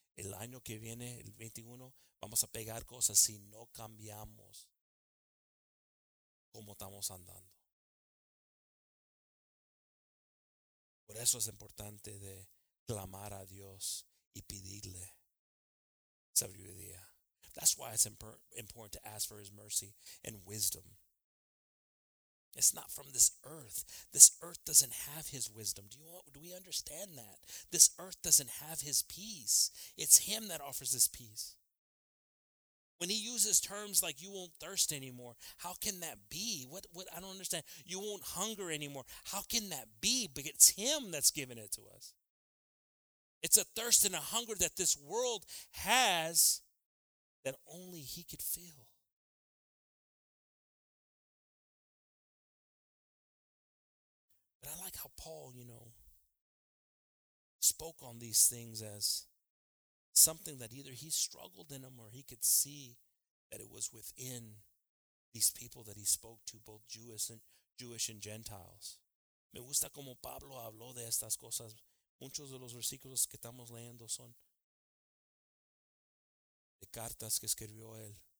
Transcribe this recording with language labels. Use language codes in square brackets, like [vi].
[es] El año que viene, el 21, vamos a pegar cosas si no cambiamos cómo estamos andando. Por eso es importante de clamar a Dios y pedirle sabiduría. [en] That's why it's important to ask for his mercy and wisdom. It's not from this earth. This earth doesn't have his wisdom. Do we understand that? This earth doesn't have his peace. It's him that offers this peace. When he uses terms like you won't thirst anymore, how can that be? What I don't understand. You won't hunger anymore. How can that be? But it's him that's given it to us. It's a thirst and a hunger that this world has that only he could fill. But I like how Paul, you know, spoke on these things as something that either he struggled in them or he could see that it was within these people that he spoke to, both Jewish and Gentiles. [es] Me gusta como Pablo habló de estas cosas. Muchos de los versículos que estamos leyendo son de cartas que escribió él.